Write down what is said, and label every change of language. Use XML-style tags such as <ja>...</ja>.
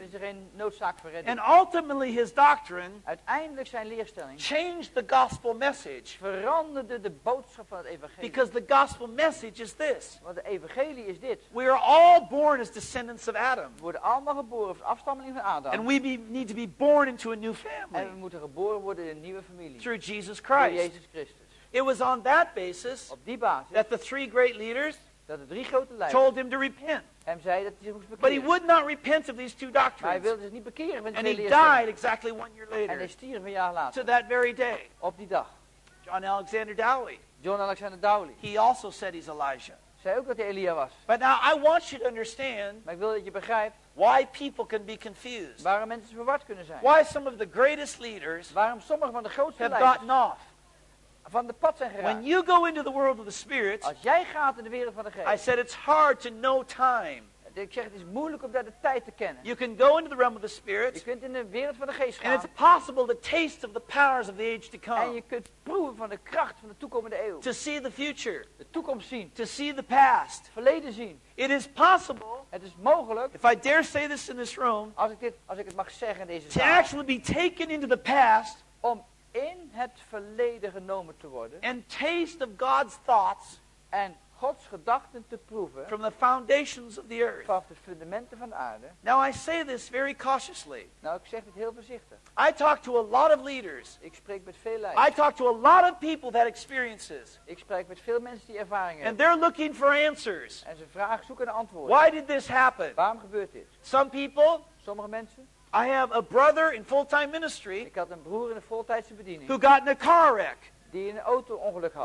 <nl>Is er geen noodzaak voor redding.</nl> <en>And ultimately, his doctrine,</en> <nl>uiteindelijk zijn leerstelling,</nl> <en>changed the gospel message.</en> <nl>Veranderde de boodschap van het evangelie.</nl> <en>Because the gospel message is this.</en> <nl>Want de evangelie is dit.</nl> <en>We are all born as descendants of Adam.</en> <nl>We worden allemaal geboren als afstammeling van Adam.</nl> <en>And we need to be born into a new family.</en> <nl>En we moeten geboren worden in een nieuwe familie.</nl> <en>Through Jesus Christ.</en> <nl>Door Jezus Christus.</nl> <en>It was on that basis,</en> <nl>op die basis,</nl> <en>that the three great leaders,</en> <nl>dat de drie grote leiders,</nl> <en>told him to repent.</en> <nl>Hem zei dat hij zich moest bekeren.</nl> <en>But he would not repent of these two doctrines.</en> <nl>Maar hij wilde zich niet bekeren van de twee leerstellingen.</nl> <en>And he died exactly 1 year later.</en> <nl>En hij stierf een jaar later.</nl> <en>To that very day.</en> <nl>Op die dag.</nl> <en>John Alexander Dowley. He also said he's Elijah.</en> <nl>Zei ook dat hij Elia was.</nl> <en>But now I want you to understand.</en> <nl>Maar ik wil dat je begrijpt.</nl> <en>Why people can be confused.</en> <nl>Waarom mensen verward kunnen zijn.</nl> <en>Why some of the greatest leaders.</en> <nl>Waarom sommige van de grootste leiders.</nl> <en>Have gotten off.</en> <nl>Van de pad zijn geraakt.</nl> <en>When you go into the world of the spirit.</en> <nl>Als jij gaat in de wereld van de geest.</nl> <en>I said it's hard to know time.</en> <nl>Ik zeg het is moeilijk om daar de tijd te kennen.</nl> <en>You can go into the realm of the spirit.</en> <nl>Je kunt in de wereld van de geest gaan.</nl> <en>And it's possible to taste of the powers of the age to come.</en> <nl>En je kunt proeven van de kracht van de toekomende eeuw.</nl> <en>To see the future.</en> <nl>De toekomst zien.</nl> <en>To see the past.</en> <nl>Het verleden zien.</nl> <en>It is possible.</en> <nl>Het is mogelijk.</nl> <en>If I dare say this in this room.</en> <nl>Als ik het mag zeggen in deze zaal.</nl> <en>To actually be taken into the past.</en> <nl>Om in het verleden genomen te worden.</nl> <en>And taste of God's thoughts.</en> <nl>En Gods gedachten te proeven.</nl> <en>From the foundations of the earth.</en> <nl>Vanaf de fundamenten van de aarde.</nl> <en>Now I say this very cautiously.</en> <nl>Nou, ik zeg het heel voorzichtig.</nl> <en>I talk to a lot of leaders.</en> <nl>Ik spreek met veel leiders.</nl> <en>I talk to a lot of people that experiences.</en> <nl>Ik spreek met veel mensen die ervaringen hebben.</nl> <en>And they're looking for answers.</en> <nl>En ze vragen, zoeken antwoorden.</nl> <en>Why did this happen?</en> <nl>Waarom gebeurt dit?</nl> <en>Some people.</en> <nl>Sommige mensen.</nl> <en>I have a brother in full-time ministry.</en> <nl>Ik had een broer in de voltijdse bediening.</nl> <en>Who got in a car wreck.</en> <nl>Die een auto-ongeluk had.</nl>